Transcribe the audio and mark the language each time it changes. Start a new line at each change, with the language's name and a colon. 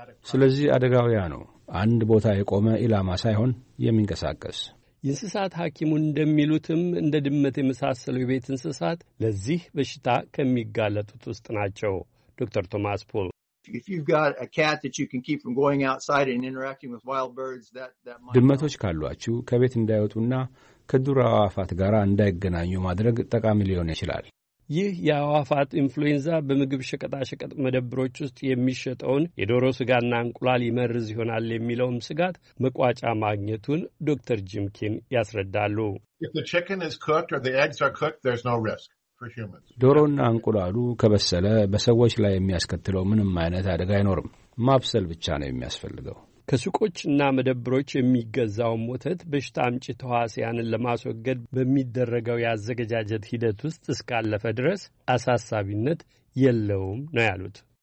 Amharic: ስለዚህ አደጋው ያ ነው። አንድ ቦታ የቆመ ኢላማ ሳይሆን የሚንቀሳቀስ። የእንስሳት ሐኪሙን እንደሚሉትም እንደ ድመት የመሳሰሉ የቤት እንስሳት ለዚህ በሽታ ከሚጋለጡት ውስጥ ናቸው። ዶክተር ቶማስ ፖል
English: If you've got a cat that you can keep from going outside and interacting with wild birds that might
Amharic: ድመቶች ካሏችሁ ከቤት እንዳይወጡና ከዱር አዋፋት ጋር እንዳይገናኙ ማድረግ ጠቃሚ ሊሆን ይችላል። ይህ የአዋፋት ኢንፍሉዌንዛ በምግብ ሸቀጣሸቀጥ መደብሮች ውስጥ የሚሸጠውን የዶሮ ስጋና እንቁላል ይመርዝ ይሆናል የሚለውም ስጋት መቋጫ ማግኘቱን ዶክተር ጂም ኪን ያስረዳሉ።
English: If the chicken is cooked or the eggs are cooked, there's no risk.
Amharic: ዶሮና እንቁላሉ ከበሰለ በሰዎች ላይ የሚያስከትለው ምንም አይነት አደጋ አይኖርም። ማብሰል ብቻ ነው የሚያስፈልገው። ከሱቆችና መደብሮች የሚገዛው ወተት በሽታ አምጪ ተዋሲያንን ለማስወገድ በሚደረገው ያዘገጃጀት ሂደት ውስጥ እስካለፈ ድረስ አሳሳቢነት የለውም ነው ያሉት።